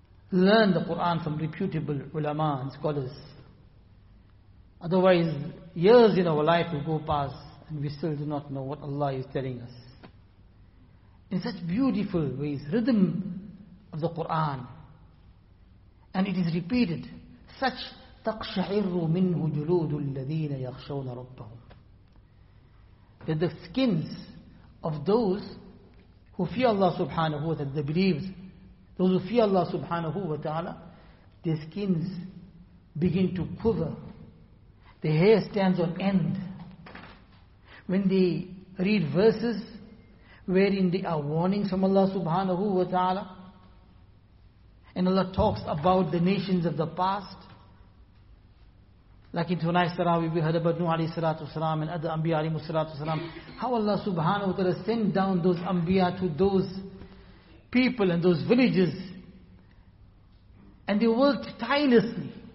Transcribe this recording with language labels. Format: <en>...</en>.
<en>Learn the Quran from reputable ulama and scholars. Otherwise, years in our life will go past and we still do not know what Allah is telling us. In such beautiful ways, rhythm of the Quran. And it is repeated. Such</en> <ar>تَقْشَعِرُّ مِنْهُ جُلُودُ الَّذِينَ يَخْشَوْنَ رَبَّهُمْ.</ar> <en>That the skins of those who fear Allah subhanahu wa ta'ala, the believers, those who fear Allah subhanahu wa ta'ala, their skins begin to quiver. The hair stands on end. When they read verses wherein they are warnings from Allah subhanahu wa ta'ala, and Allah talks about the nations of the past, like in tonight's Tarawih, we heard about Nuh alayhi salatu wasalam and other Anbiya alayhi salatu wasalam, how Allah subhanahu wa ta'ala sent down those Anbiya to those people and those villages, and they worked tirelessly.</en>